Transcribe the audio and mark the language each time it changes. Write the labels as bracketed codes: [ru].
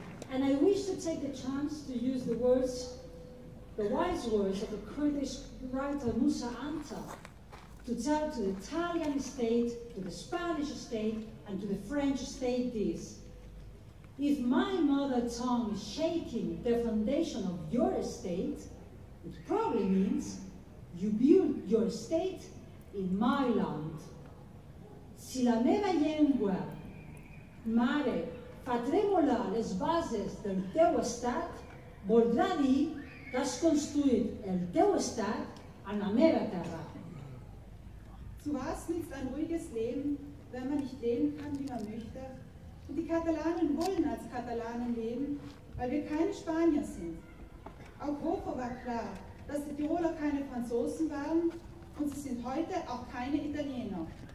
[en] And I wish to take the chance to use the words, the wise words of the Kurdish writer Musa Anta to tell to the Italian state, to the Spanish state, and to the French state this. If my mother tongue is shaking the foundation of your state, it probably means you build your state in my land. [ca] Si la meva llengua, mare, fa tremolar les bases del teu estat, voldrà dir que has construït el teu estat en la meva terra. [de] Zu was nützt ein ruhiges Leben, wenn man nicht leben kann, wie man möchte? Und die Katalanen wollen als Katalanen leben, weil wir keine Spanier sind. Auch Hofer war klar, dass die Tiroler keine Franzosen waren und sie sind heute auch keine Italiener.